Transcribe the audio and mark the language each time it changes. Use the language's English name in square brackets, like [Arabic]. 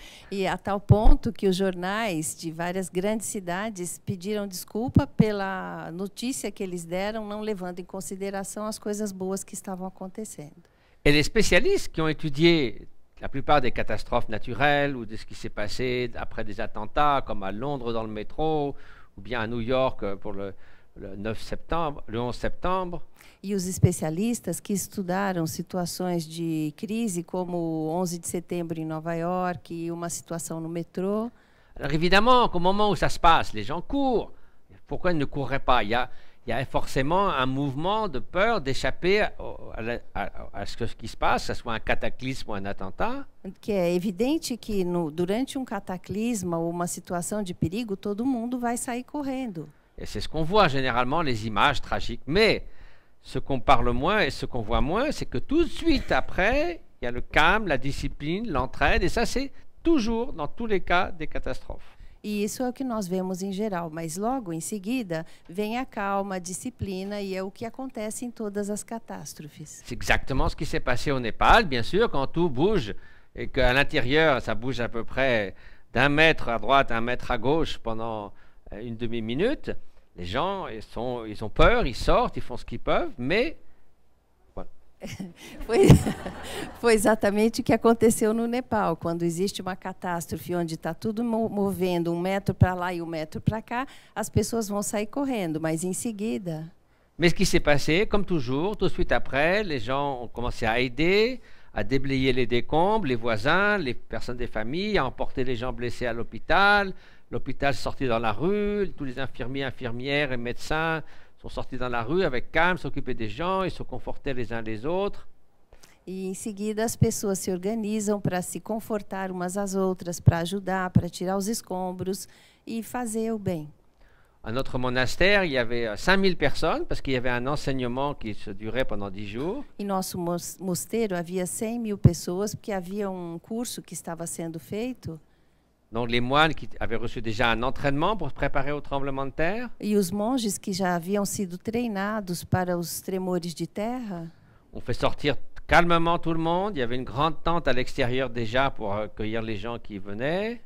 [Portuguese] E a tal ponto que os jornais de várias grandes cidades pediram desculpa pela notícia que eles deram, não levando em consideração as coisas boas que estavam acontecendo. [French] Et les spécialistes qui ont étudié la plupart des catastrophes naturelles ou de ce qui s'est passé après des attentats, comme à Londres dans le métro, ou bien à New York pour le 11 septembre. [Portuguese] E os especialistas que estudaram situações de crise como 11 de setembro em Nova York e uma situação no metrô. [French] Alors évidemment, au moment où ça se passe, les gens courent. Pourquoi ils ne courraient pas? Il y a forcément un mouvement de peur d'échapper à ce qui se passe, que ce soit un cataclysme ou un attentat. [Portuguese] Que é evidente que durante um cataclisma ou uma situação de perigo, todo mundo vai sair correndo. [French] Et c'est ce qu'on voit généralement, les images tragiques. Mais ce qu'on parle moins et ce qu'on voit moins, c'est que tout de suite après, il y a le calme, la discipline, l'entraide, et ça c'est toujours, dans tous les cas, des catastrophes. [Portuguese] E isso é o que nós vemos em geral, mas logo em seguida vem a calma, a disciplina e é o que acontece em todas as catástrofes. [French] C'est exactement ce qui s'est passé au Népal, bien sûr, quand tout bouge et qu'à l'intérieur ça bouge à peu près d'un mètre à droite, un mètre à gauche pendant une demi-minute. Les gens, ils ont peur, ils sortent, ils font ce qu'ils peuvent, mais [Portuguese] foi exatamente o que aconteceu no Nepal. Quando existe uma catástrofe onde está tudo movendo um metro para lá e um metro para cá, as pessoas vão sair correndo, mas em seguida... Mas o que se passou, como [French] toujours, tout de suite après, les gens ont commencé à aider, à déblayer les décombres, les voisins, les personnes des familles, à emporter les gens blessés à l'hôpital, l'hôpital sorti dans la rue, tous les infirmiers, infirmières et médecins sont sortis dans la rue avec calme, s'occuper des gens et se conforter les uns les autres. Et [Portuguese] en seguida, as pessoas se organizam para se confortar umas às outras, para ajudar, para tirar os escombros e fazer o bem. [French] À notre monastère, il y avait 5000 personnes parce qu'il y avait un enseignement qui se durait pendant 10 jours. [Portuguese] Em nosso mosteiro havia 100 mil pessoas porque havia um curso que estava sendo feito. [French] Donc les moines qui avaient reçu déjà un entraînement pour se préparer au tremblement de terre. [Portuguese] E os monges que já haviam sido treinados para os tremores de terra. [French] On fait sortir calmement tout le monde. Il y avait une grande tente à l'extérieur déjà pour accueillir les gens qui venaient.